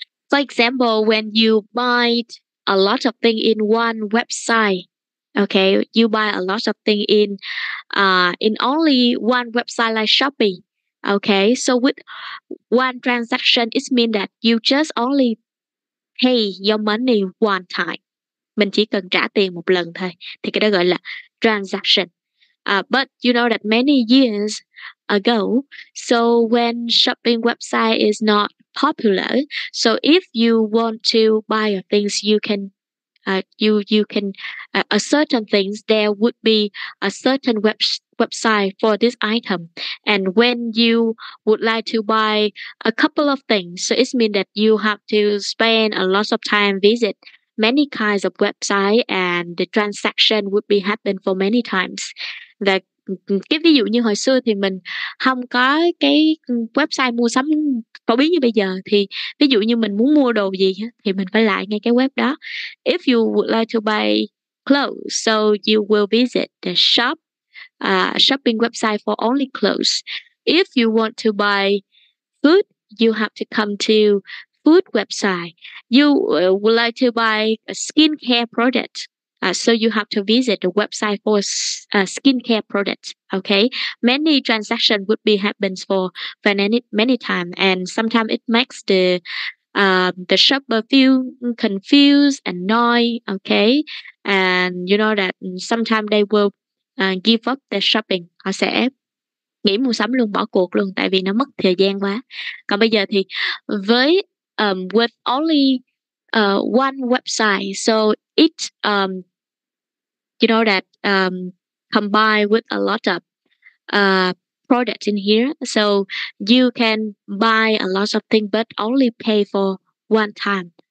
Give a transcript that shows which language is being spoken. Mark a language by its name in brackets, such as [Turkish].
[English] For example, when you buy a lot of things in one website. Okay, you buy a lot of things in only one website like Shopee. Okay, so with one transaction, it means that you just only pay your money one time. [Vietnamese] Mình chỉ cần trả tiền một lần thôi. Thì cái đó gọi là transaction. [English] But you know that many years ago, so when shopping website is not popular, so if you want to buy your things, you can a certain things, there would be a certain website for this item. And when you would like to buy a couple of things, so it means that you have to spend a lot of time visit many kinds of website, and the transaction would be happen for many times. [Vietnamese] Cái ví dụ như hồi xưa thì mình không có cái website mua sắm phổ biến như bây giờ. Thì ví dụ như mình muốn mua đồ gì thì mình phải lại ngay cái web đó. [English] If you would like to buy clothes, so you will visit the shop, shopping website for only clothes. If you want to buy food, you have to come to food website. You would like to buy a skincare product, so you have to visit the website for skincare products. Okay, many transactions would be happens for many times, and sometimes it makes the shopper feel confused, annoyed. Okay, and you know that sometimes they will give up their shopping. [Vietnamese] Họ sẽ nghỉ mua sắm luôn, bỏ cuộc luôn, tại vì nó mất thời gian quá. Còn bây giờ thì với [English] with only one website, so it you know that combined with a lot of products in here, so you can buy a lot of things but only pay for one time.